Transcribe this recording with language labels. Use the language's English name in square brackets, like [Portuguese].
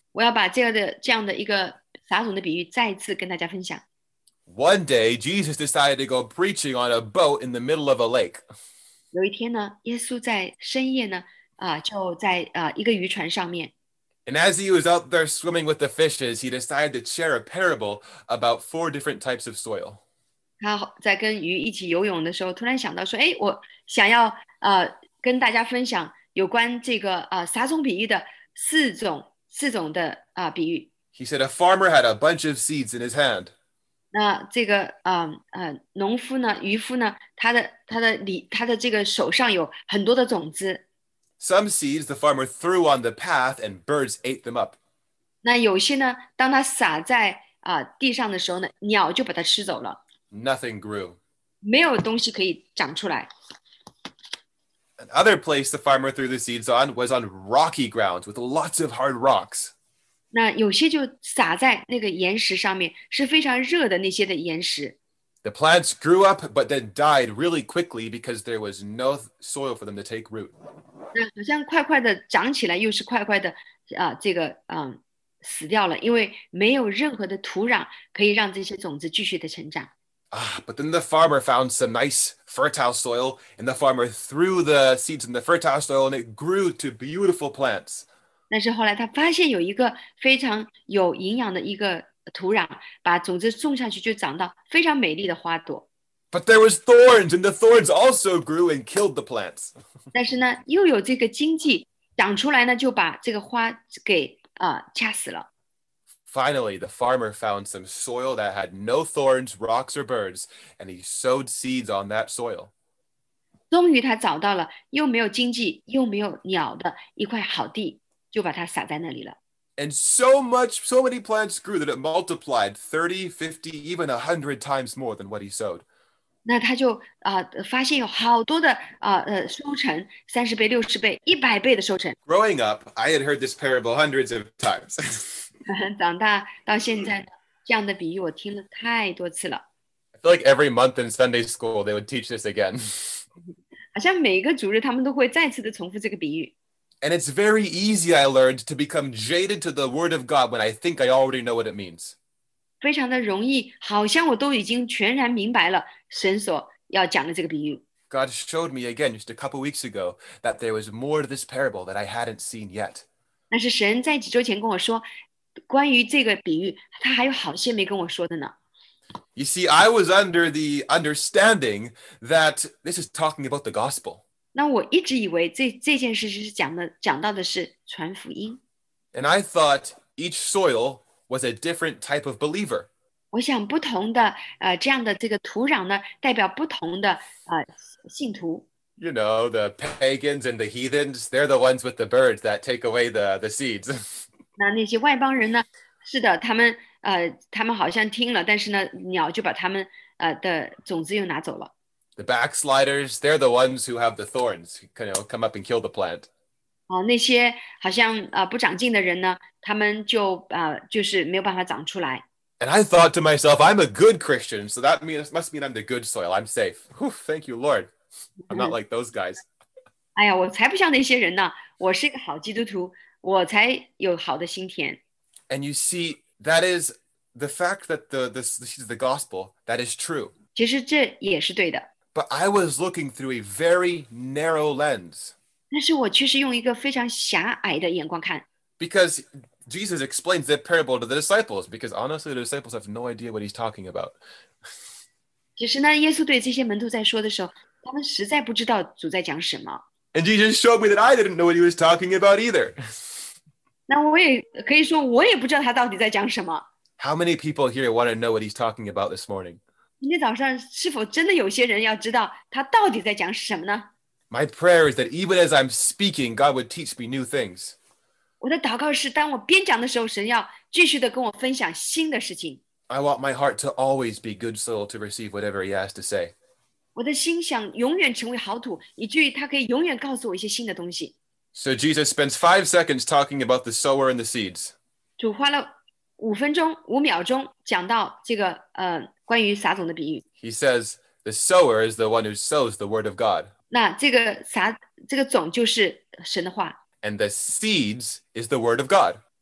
[Chinese] 我要把这样的一个撒种的比喻再次跟大家分享。 [English] One day, Jesus decided to go preaching on a boat in the middle of a lake. [Chinese] 有一天呢，耶稣在深夜呢，就在一个渔船上面。 [English] And as he was out there swimming with the fishes, he decided to share a parable about four different types of soil. [Chinese] 他在跟鱼一起游泳的时候，突然想到说，哎，我想要跟大家分享有关这个撒种比喻的四种的比喻。 [English] He said a farmer had a bunch of seeds in his hand. [Chinese] 那这个农夫呢，渔夫呢，他的这个手上有很多的种子。 [English] Some seeds the farmer threw on the path and birds ate them up. [Chinese] 那有些呢，当他撒在地上的时候呢，鸟就把它吃走了。 [English] Nothing grew. [Chinese] 没有东西可以长出来。 [English] Another place the farmer threw the seeds on was on rocky ground with lots of hard rocks. [Chinese] 那有些就撒在那个岩石上面，是非常热的那些的岩石。 [English] The plants grew up but then died really quickly because there was no soil for them to take root. [Chinese] 那好像快快的长起来，又是快快的这个死掉了，因为没有任何的土壤可以让这些种子继续的成长。 [English] But then the farmer found some nice fertile soil, and the farmer threw the seeds in the fertile soil, and it grew to beautiful plants. [Chinese] 但是后来他发现有一个非常有营养的一个土壤，把种子种下去就长到非常美丽的花朵。 [English] But there was thorns, and the thorns also grew and killed the plants. [Chinese] 但是呢，又有这个荆棘长出来呢，就把这个花给掐死了。 [English] Finally, the farmer found some soil that had no thorns, rocks, or birds, and he sowed seeds on that soil. [Chinese] 终于他找到了又没有荆棘又没有鸟的一块好地，就把它撒在那里了。 [English] And so many plants grew that it multiplied 30, 50, even 100 times more than what he sowed. [Chinese] 那他就发现有好多的收成，30倍、60倍、100倍的收成。 [English] Growing up, I had heard this parable hundreds of times. [Chinese] 长大到现在，这样的比喻我听了太多次了。 [English] I feel like every month in Sunday school, they would teach this again. [Chinese] 好像每个主日他们都会再次的重复这个比喻。 [English] And it's very easy, I learned, to become jaded to the word of God when I think I already know what it means. [Chinese] 非常的容易，好像我都已经全然明白了神所要讲的这个比喻。 [English] God showed me again just a couple weeks ago that there was more to this parable that I hadn't seen yet. [Chinese] 那是神在几周前跟我说关于这个比喻，他还有好些没跟我说的呢。 [English] You see, I was under the understanding that this is talking about the gospel. [Chinese] 那我一直以为这件事是讲到的是传福音。 [English] And I thought each soil was a different type of believer. [Chinese] 我想不同的这样的这个土壤呢，代表不同的信徒。 [English] You know, the pagans and the heathens, they're the ones with the birds that take away the seeds. [Chinese] 那些外邦人呢？是的，他们好像听了，但是呢，鸟就把他们的种子又拿走了。 [English] The backsliders, they're the ones who have the thorns, you know, come up and kill the plant. [Chinese] 那些好像不长进的人呢，他们就是没有办法长出来。 [English] And I thought to myself, I'm a good Christian, so that must mean I'm the good soil. I'm safe. Whew, thank you, Lord. I'm not like those guys. [Chinese] 哎呀，我才不像那些人呢！我是一个好基督徒。我才有好的心田。 [English] And you see, that is the fact that the gospel, that is true. [Chinese] 其实这也是对的。 [English] But I was looking through a very narrow lens. [Chinese] 但是我确实用一个非常狭隘的眼光看。 [English] Because Jesus explains the parable to the disciples, because honestly, the disciples have no idea what he's talking about. [Chinese] 其实呢，耶稣对这些门徒在说的时候，他们实在不知道主在讲什么。 [English] And Jesus showed me that I didn't know what he was talking about either. [Chinese] 那我也可以说我也不知道他到底在讲什么。 [English] How many people here want to know what he's talking about this morning? [Chinese] 今天早上是否真的有些人要知道他到底在讲什么呢？ [English] My prayer is that even as I'm speaking, God would teach me new things. [Chinese] 我的祷告是当我边讲的时候，神要继续的跟我分享新的事情。 [English] I want my heart to always be good soil to receive whatever he has to say. [Chinese] 我的心想永远成为好土，以至于他可以永远告诉我一些新的东西。 [English] So Jesus spends 5 seconds talking about the sower and the seeds. [Chinese] 主花了五分钟五秒钟讲到这个关于撒种的比喻。 [English] He says the sower is the one who sows the word of God. [Chinese] 那这个撒这个种就是神的话。 [English] And the seeds is the word of God.